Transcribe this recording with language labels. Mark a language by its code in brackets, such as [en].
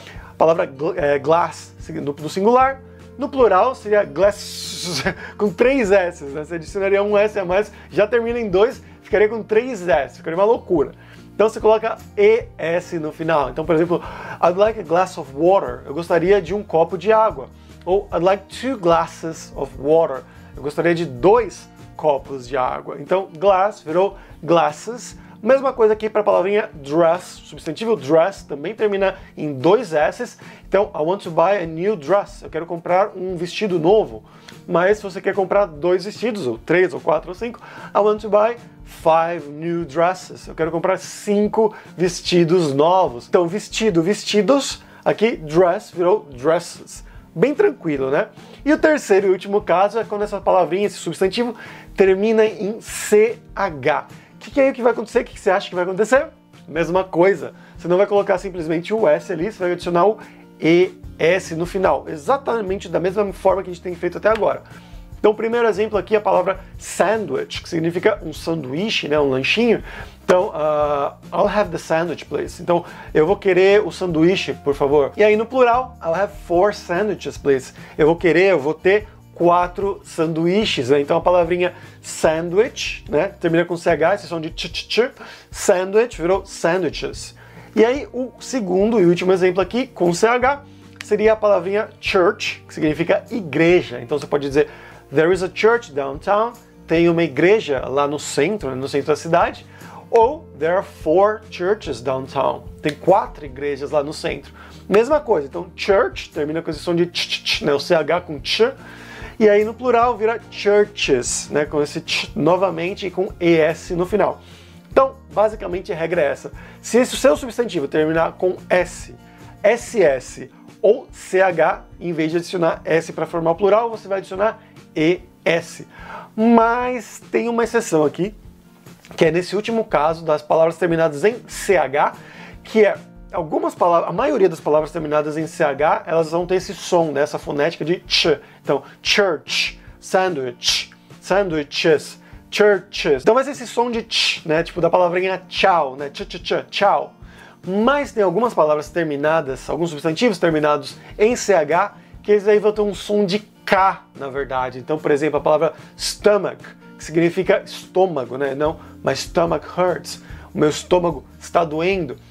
[pt] A palavra glass, no singular. No plural, seria glass, com três S, né? Você adicionaria um S a mais, já termina em dois, ficaria com três S, ficaria uma loucura. Então você coloca ES no final. Então, por exemplo, [en] I'd like a glass of water. [pt] Eu gostaria de um copo de água. [en] Ou I'd like two glasses of water. [pt] Eu gostaria de dois copos de água. Então, glass virou glasses. Mesma coisa aqui para a palavrinha dress. Substantivo dress também termina em dois S. [en] Então, I want to buy a new dress. [pt] Eu quero comprar um vestido novo. Mas se você quer comprar dois vestidos, ou três, ou quatro, ou cinco, [en] I want to buy five new dresses. [pt] Eu quero comprar cinco vestidos novos. Então, vestido, vestidos. Aqui, dress virou dresses. Bem tranquilo, né? E o terceiro e último caso é quando essa palavrinha, esse substantivo, termina em CH. Que aí o que vai acontecer? O que você acha que vai acontecer? Mesma coisa. Você não vai colocar simplesmente o S ali, você vai adicionar o ES no final. Exatamente da mesma forma que a gente tem feito até agora. Então, primeiro exemplo aqui, a palavra sandwich, que significa um sanduíche, né, um lanchinho. [en] Então, I'll have the sandwich, please. [pt] Então, eu vou querer o sanduíche, por favor. [en] E aí, no plural, I'll have four sandwiches, please. [pt] Eu vou ter quatro sanduíches, né? Então, a palavrinha sandwich, né, termina com CH, esse som de ch-ch-ch. Sandwich virou sandwiches. E aí, o segundo e último exemplo aqui, com CH, seria a palavrinha church, que significa igreja. Então, você pode dizer [en] there is a church downtown. [pt] Tem uma igreja lá no centro, no centro da cidade. [en] Ou there are four churches downtown. [pt] Tem quatro igrejas lá no centro. Mesma coisa. Então, church termina com esse som de ch-ch-ch, né? O CH com ch. E aí, no plural, vira churches, né? Com esse ch novamente e com ES no final. Então, basicamente, a regra é essa. Se esse seu substantivo terminar com S, SS ou CH, em vez de adicionar S para formar o plural, você vai adicionar ES. mas tem uma exceção aqui, que é nesse último caso das palavras terminadas em CH, que é algumas palavras, a maioria das palavras terminadas em CH, elas vão ter esse som, né, essa fonética de ch. Então, church, sandwich, sandwiches, churches. Então vai ser esse som de ch, né, tipo da palavrinha tchau, né, ch, ch, ch, tchau. Mas tem algumas palavras terminadas, alguns substantivos terminados em CH, que eles aí vão ter um som de K, na verdade. Então, por exemplo, a palavra stomach, que significa estômago, né? Não, mas [en] stomach hurts. [pt] O meu estômago está doendo.